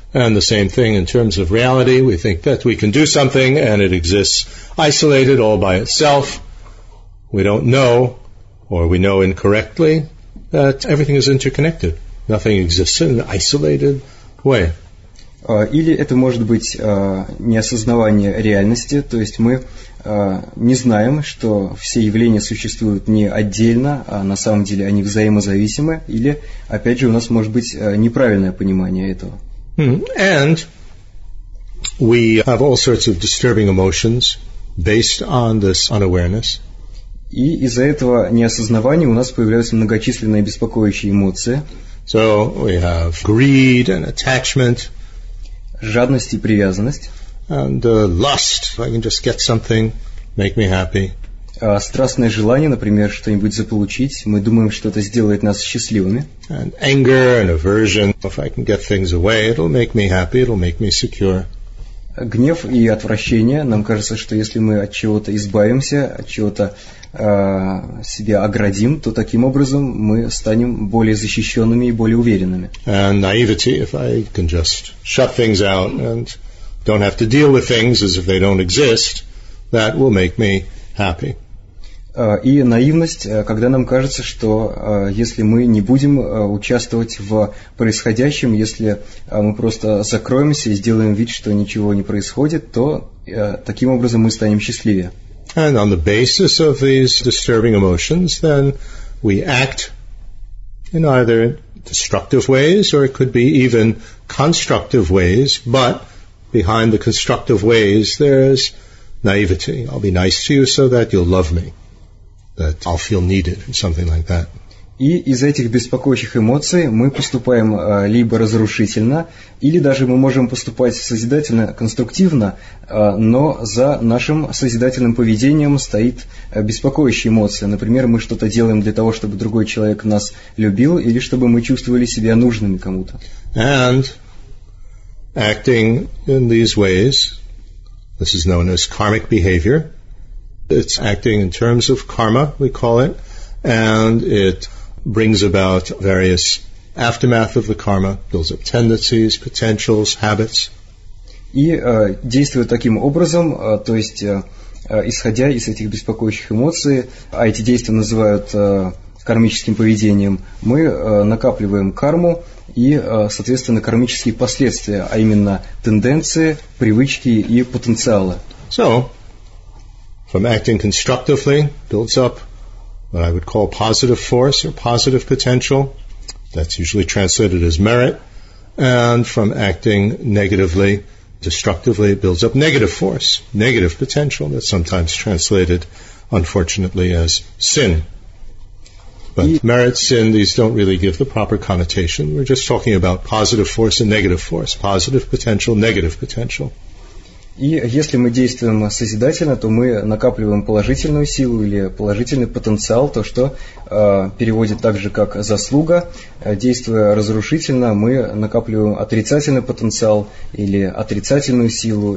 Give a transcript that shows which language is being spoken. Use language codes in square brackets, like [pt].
[en] And the same thing in terms of reality, we think that we can do something and it exists isolated all by itself. We don't know, or we know incorrectly, that everything is interconnected. Nothing exists in an isolated way. [ru] Или это может быть неосознавание реальности, то есть мы не знаем, что все явления существуют не отдельно, а на самом деле они взаимозависимы, или, опять же, у нас может быть неправильное понимание этого. [en] And we have all sorts of disturbing emotions based on this unawareness. [ru] И из-за этого неосознавания у нас появляются многочисленные беспокоящие эмоции. [en] So we have greed and attachment. [ru] Жадность и привязанность. [en] And lust. If I can just get something, make me happy. [ru] Страстное желание, например, что-нибудь заполучить. Мы думаем, что это сделает нас счастливыми. [en] And anger and aversion. If I can get things away, it'll make me happy, it'll make me secure. [ru] Гнев и отвращение. Нам кажется, что если мы от чего-то избавимся, от чего-то себя оградим, то таким образом мы станем более защищенными и более уверенными. [en] And naivety, if I can just shut things out and don't have to deal with things as if they don't exist, that will make me happy. [ru] И наивность, когда нам кажется, что если мы не будем участвовать в происходящем, если мы просто закроемся и сделаем вид, что ничего не происходит, то таким образом мы станем счастливее. [en] And on the basis of these disturbing emotions, then we act in either destructive ways or it could be even constructive ways, but behind the constructive ways there's naivety. I'll be nice to you so that you'll love me. That I'll feel needed, something like that. [ru] И из этих беспокоящих эмоций мы поступаем либо разрушительно, или даже мы можем поступать созидательно, конструктивно, но за нашим созидательным поведением стоит беспокоящая эмоция. Например, мы что-то делаем для того, чтобы другой человек нас любил, или чтобы мы чувствовали себя нужными кому-то. [en] And acting in these ways, this is known as karmic behavior. It's acting in terms of karma, we call it, and it brings about various aftermath of the karma, builds up tendencies, potentials, habits. [ru] И действуя таким образом, то есть исходя из этих беспокоящих эмоций, а эти действия называют кармическим поведением, мы накапливаем карму и, соответственно, кармические последствия, а именно тенденции, привычки и потенциалы. [en] So, from acting constructively, builds up what I would call positive force or positive potential. That's usually translated as merit. And from acting negatively, destructively, it builds up negative force, negative potential. That's sometimes translated, unfortunately, as sin. But merit, sin, these don't really give the proper connotation. We're just talking about positive force and negative force, positive potential, negative potential. [ru] И если мы действуем созидательно, то мы накапливаем положительную силу или положительный потенциал, то, что переводит так же, как заслуга. Действуя разрушительно, мы накапливаем отрицательный потенциал или отрицательную силу.